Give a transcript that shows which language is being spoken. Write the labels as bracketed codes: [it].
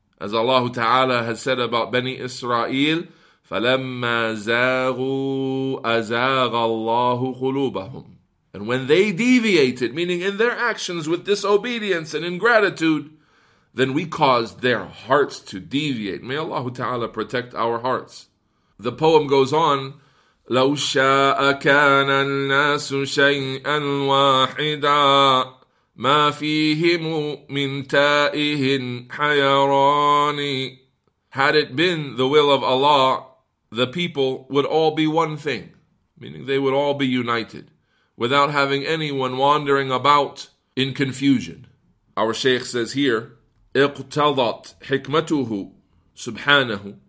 [en] As Allah Ta'ala has said about Bani Israel, [ar] فَلَمَّا زَاغُوا أَزَاغَ اللَّهُ قُلُوبَهُمْ. [en] And when they deviated, meaning in their actions with disobedience and ingratitude, then we caused their hearts to deviate. May Allah Ta'ala protect our hearts. The poem goes on, [ar] لَوْ شَاءَ كَانَ النَّاسُ شَيْئًا وَاحِدًا مَا فِيهِمُ مِنْ تَائِهٍ حَيَرَانِ. [en] Had it been the will of Allah, the people would all be one thing, meaning they would all be united, without having anyone wandering about in confusion. Our Shaykh says here, [ar] اِقْتَضَتْ حِكْمَتُهُ سُبْحَانَهُ.